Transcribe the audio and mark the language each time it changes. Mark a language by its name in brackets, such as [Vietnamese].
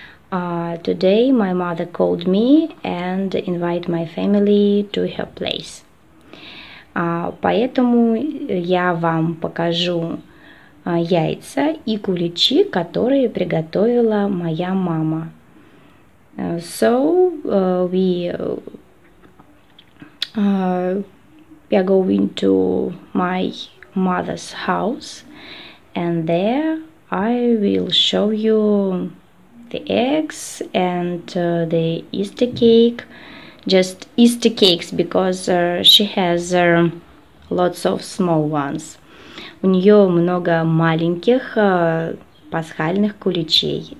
[English] Today my mother called me and invited my family to her place. [Russian] Поэтому я вам покажу яйца и куличи, которые приготовила моя мама. [English] We are going to my mother's house, and there I will show you the eggs and the Easter cake, just Easter cakes, because she has lots of small ones. [Russian] У нее много маленьких пасхальных куличей.